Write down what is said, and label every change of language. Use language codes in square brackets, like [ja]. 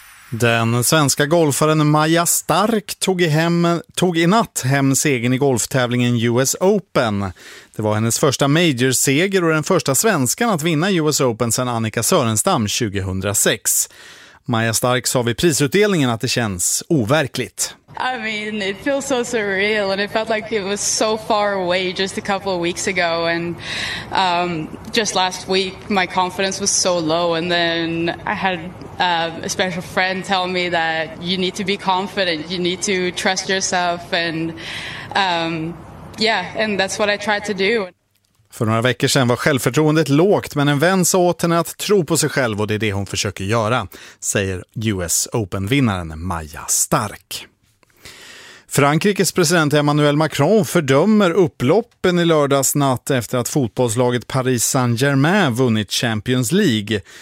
[sv] Den svenska golfaren Maja Stark tog i natt hem segern i golftävlingen US Open. Det var hennes första majorseger och den första svenskan att vinna US Open sedan Annika Sörenstam 2006. Maja Stark sa vid prisutdelningen att det känns overkligt. [en] I mean, it feels so surreal and it felt like it was so far away just a couple of weeks ago and just last week my confidence was so low and then I had a special friend tell me that you need to be confident, you need to trust yourself and and that's what I tried to do. [sv] För några veckor sedan var självförtroendet lågt, men en vän sa åt henne att tro på sig själv och det är det hon försöker göra, säger US Open-vinnaren Maja Stark. Frankrikes president Emmanuel Macron fördömer upploppen i lördags natt efter att fotbollslaget Paris Saint-Germain vunnit Champions League.